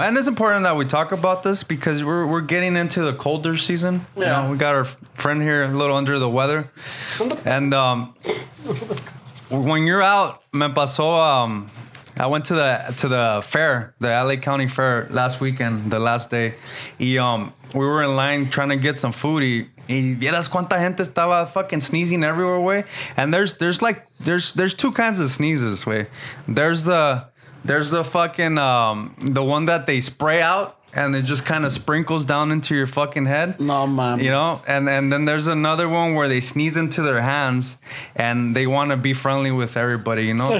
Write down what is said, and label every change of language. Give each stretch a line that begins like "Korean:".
English: And it's important that we talk about this because we're getting into the colder season. Yeah. You know, we got our friend here a little under the weather. And when you're out,
Spanish: me pasó,
English: I went to the fair, the LA County Fair last weekend, the last day. We were in line trying to get some food.
Spanish: Y vieras cuánta gente estaba
English: fucking sneezing everywhere,
Spanish: güey.
English: And there's two kinds of sneezes, güey. There's the fucking the one that they spray out and it just kind of sprinkles down into your fucking head. No man. You know, and then there's another one where they sneeze into their hands and they want to be friendly with everybody, you know.